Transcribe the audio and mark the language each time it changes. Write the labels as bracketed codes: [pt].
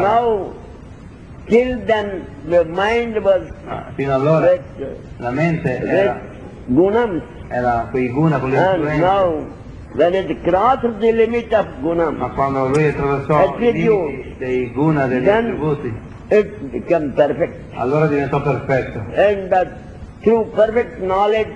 [en] Now, till then the mind was [it] fino allora [en] rich, [it] la mente era [en] gunams. [it] Era quei guna, quelle [en] and [it] influenze. [en] Now, when it crossed the limit of gunam, [it] ma quando lui attraversò i limiti dei guna, degli attributi, [en] it became perfect. [it] Allora diventò perfetto. [en] And that, through perfect knowledge,